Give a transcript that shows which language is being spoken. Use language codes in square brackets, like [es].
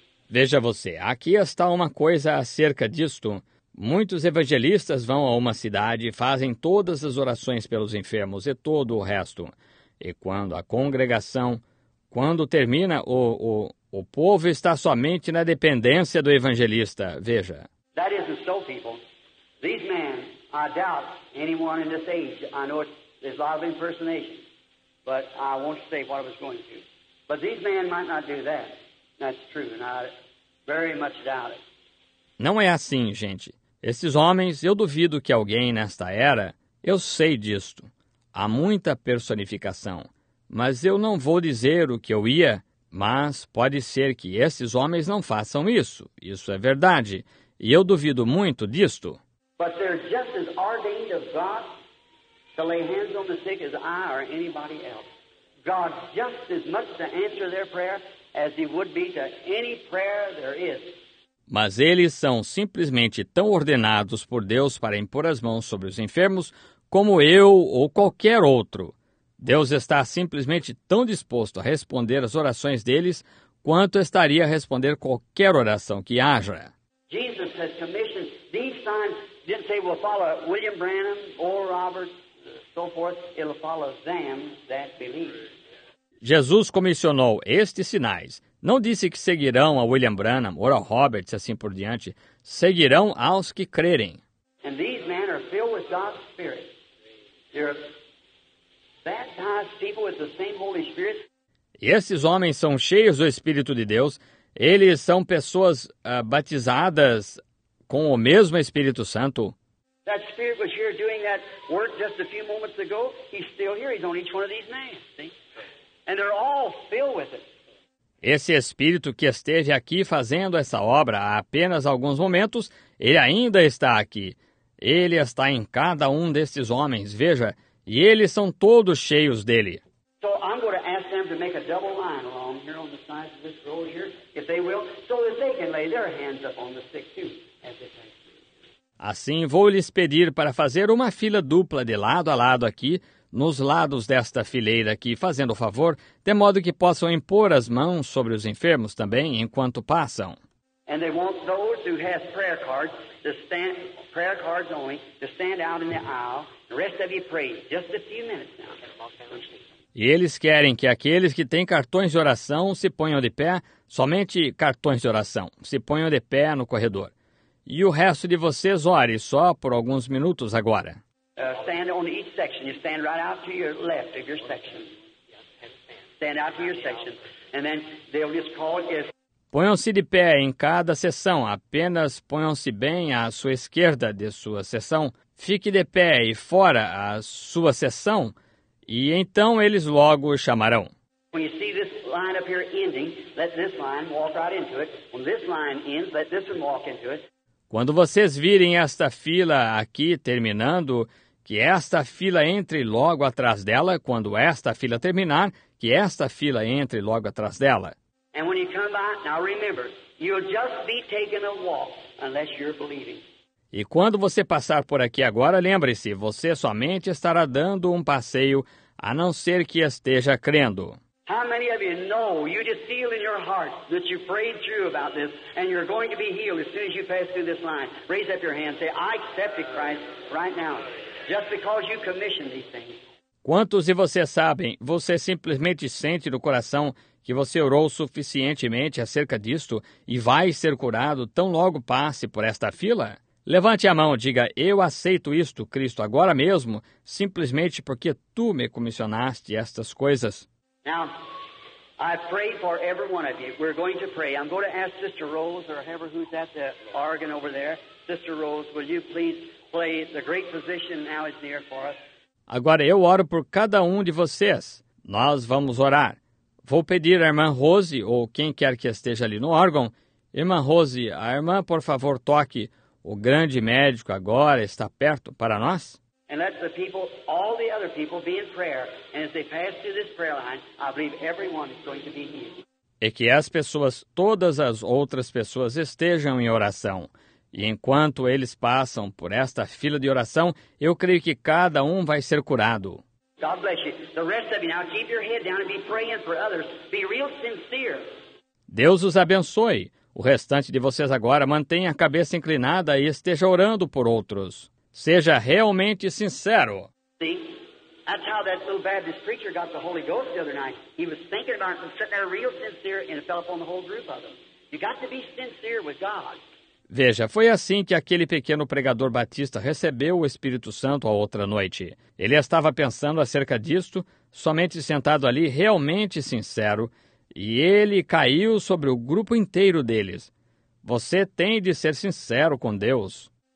[pt] Veja você, aqui está uma coisa acerca disto. Muitos evangelistas vão a uma cidade e fazem todas as orações pelos enfermos e todo o resto. E quando a congregação, quando termina, o povo está somente na dependência do evangelista. Veja. [en] That isn't so, people. These men, I doubt anyone in this age. I know there's a lot of impersonation, but I won't say what I was going to. But these men might not do that. That's true, and I very much doubt it. [pt] Não é assim, gente. Esses homens, eu duvido que alguém nesta era, eu sei disto. Há muita personificação. Mas eu não vou dizer o que eu ia, mas pode ser que esses homens não façam isso. Isso é verdade. E eu duvido muito disto. [en] But they're just as ordained of God to lay hands on the sick as I or anybody else. God just as much to answer their prayer as he would be to any prayer there is. [pt] Mas eles são simplesmente tão ordenados por Deus para impor as mãos sobre os enfermos como eu ou qualquer outro. Deus está simplesmente tão disposto a responder as orações deles quanto estaria a responder qualquer oração que haja. [en] Jesus has commissioned these signs. Didn't say we'll follow William Branham or Robert, so forth. It'll follow them that believe. [pt] Jesus comissionou estes sinais. Não disse que seguirão a William Branham ou a Roberts, assim por diante. Seguirão aos que crerem. [en] And these men are filled with God's Spirit. They're baptized people with the same Holy Spirit. [pt] E esses homens são cheios do Espírito de Deus. Eles são pessoas batizadas com o mesmo Espírito Santo. [en] That Spirit was here doing that work just a few moments ago. He's still here. He's on each one of these names. See? And they're all filled with it. [pt] Esse Espírito que esteve aqui fazendo essa obra há apenas alguns momentos, ele ainda está aqui. Ele está em cada um desses homens, veja, e eles são todos cheios dele. [en] So I'm going to ask them to make a double line along here on the sides of this road here, if they will, so that they can lay their hands up on the sick too, as they pray. [pt] Assim, vou lhes pedir para fazer uma fila dupla de lado a lado aqui, nos lados desta fileira aqui, fazendo o favor, de modo que possam impor as mãos sobre os enfermos também enquanto passam. [en] And they want those who have prayer cards to stand, prayer cards only, to stand out in the aisle. The rest of you pray just a few minutes now. [pt] E eles querem que aqueles que têm cartões de oração se ponham de pé, somente cartões de oração, se ponham de pé no corredor. E o resto de vocês ore só por alguns minutos agora. [en] Stand on each section. You stand right out to your left of your section. Stand out to your section. And then they'll just call it. [pt] Ponham-se de pé em cada sessão. Apenas ponham-se bem à sua esquerda de sua sessão. Fique de pé e fora à sua sessão. E então eles logo chamarão. [en] When you see this line up here ending, let this line walk right into it. When this line ends, let this one walk into it. [pt] Quando vocês virem esta fila aqui terminando, que esta fila entre logo atrás dela. Quando esta fila terminar, que esta fila entre logo atrás dela. [en] And when you come by, now remember, you'll just be taking a walk unless you're believing. [pt] E quando você passar por aqui agora, lembre-se, você somente estará dando um passeio, a não ser que esteja crendo. [en] How many of you know you just feel in your heart that you prayed through about this and you're going to be healed as soon as you pass through this line? Raise up your hand. Say, I accepted Christ right now. Just because you commissioned these things. [pt] Quantos de vocês sabem, você simplesmente sente no coração que você orou suficientemente acerca disto e vai ser curado tão logo passe por esta fila? Levante a mão e diga, eu aceito isto, Cristo, agora mesmo, simplesmente porque tu me comissionaste estas coisas. [en] Now, I pray for every one of you. We're going to pray. I'm going to ask Sister Rose, or whoever who's at the organ over there. Sister Rose, will you please play the great physician now is near for us. [pt] Agora, eu oro por cada um de vocês. Nós vamos orar. Vou pedir à irmã Rose, ou quem quer que esteja ali no órgão. Irmã Rose, a irmã, por favor, toque. O grande médico agora está perto para nós. [en] And let the people, all the other people, be in prayer. And as they pass through this prayer line, I believe everyone is going to be healed. [pt] e que as pessoas, todas as outras pessoas, estejam em oração. E enquanto eles passam por esta fila de oração, eu creio que cada um vai ser curado. [en] God bless you. The rest of you now, keep your head down and be praying for others. Be real sincere. [pt] Deus os abençoe. O restante de vocês agora mantenha a cabeça inclinada e esteja orando por outros. Seja realmente sincero. [en] See? That's how that little Baptist preacher got the Holy Ghost the other night. He was thinking about it, sitting there real sincere, and it fell upon the whole group of them. You got to be sincere with God. [pt] Veja, foi assim que aquele pequeno pregador batista recebeu o Espírito Santo a outra noite. Ele estava pensando acerca disto, somente sentado ali, realmente sincero, e ele caiu sobre o grupo inteiro deles. Você tem de ser sincero com Deus.